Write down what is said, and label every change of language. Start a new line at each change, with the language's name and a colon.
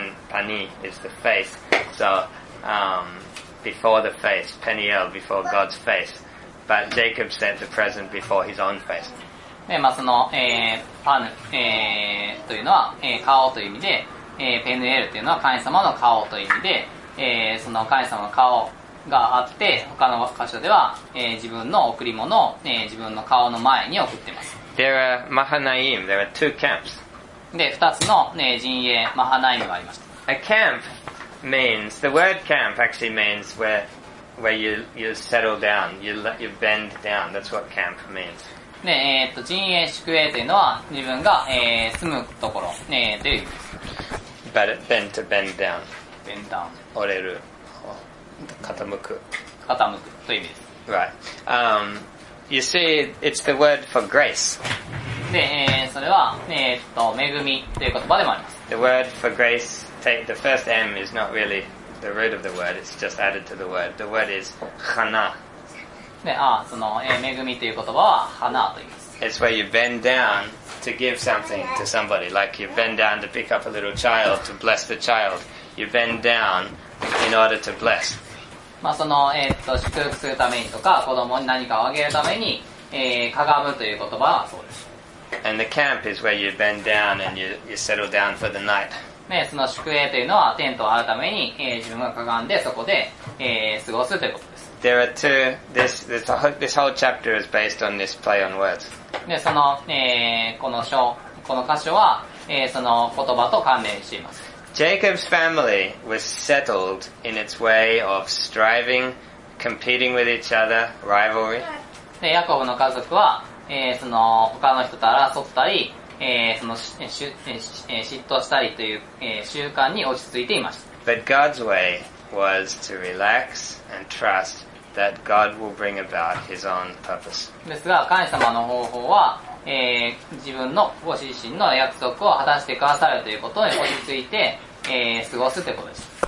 English: Pani is the face. So, before the face, Peniel, before God's face. But Jacob sent the present before his own face.
Japanese: で、まあ、その、パヌ、というのは、顔という意味で、ペヌエルというのは神様の顔という意味で、その神様の顔があって、他の箇所では、自分の贈り物を、自分の顔の前に送っています。
English: There are Mahanaim. There are two camps.
Japanese: で、二つの、陣営、マハナイムがありました。
English: A camp means, the word camp actually means where you settle down, you bend down. That's what camp means.
Japanese: で、陣営、宿営というのは自分が、住むところ、という意味です。
English: But it bend to bend down. Bend down.
Japanese: 折れる。傾く。傾くという意味です。
English: Right. You see, it's the word for grace.
Japanese: で、それは、恵みという言葉でもあります。
English: The word for grace, take the first M is not really the root of the word, it's just added to the word. The word is chana.
Japanese: で、ああ、その、恵みという言葉は、花と言います。
English: It's where you bend down to give something to somebody. Like you bend down to pick up a little child, to bless the child. You bend down in order to bless.
Japanese: まあその、祝福するためにとか、子供に何かをあげるために、かがむという言葉はそうです。
English: And the camp is where you bend down and you settle down for the night.
Japanese: ね、その宿営というのはテントを張るために、自分がかがんでそこで、過ごすということです。
English: There are two, this whole chapter is based on this play on words.
Japanese: で、その、この箇所は、その言葉と関連しています。
English: Jacob's family was settled in its way of striving, competing with each other, rivalry.
Japanese: で、ヤコブの家族は、その他の人と争ったり、その嫉妬したりという、習慣に落ち着いていました。
English: But God's way was to relax and trust that God will bring about His own purpose.
Japanese: ですが、神様の方法は、自分のご自身の約束を果たしてくださるということに落ち着いて、過ごすということです。